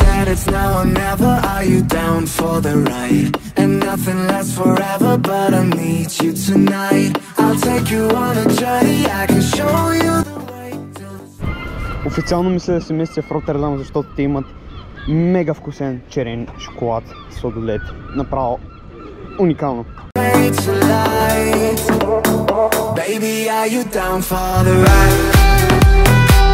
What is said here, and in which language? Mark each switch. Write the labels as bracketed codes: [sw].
[en] It's now or never, are you down for the ride? And nothing lasts forever, but I need you tonight. I'll take you on a journey, I can show you the way to... [bg] Официално мисля да се местя в Роттердам, защото те имат мега вкусен черен шоколад с лед. Направо уникално. [en] Baby, are you down for the ride?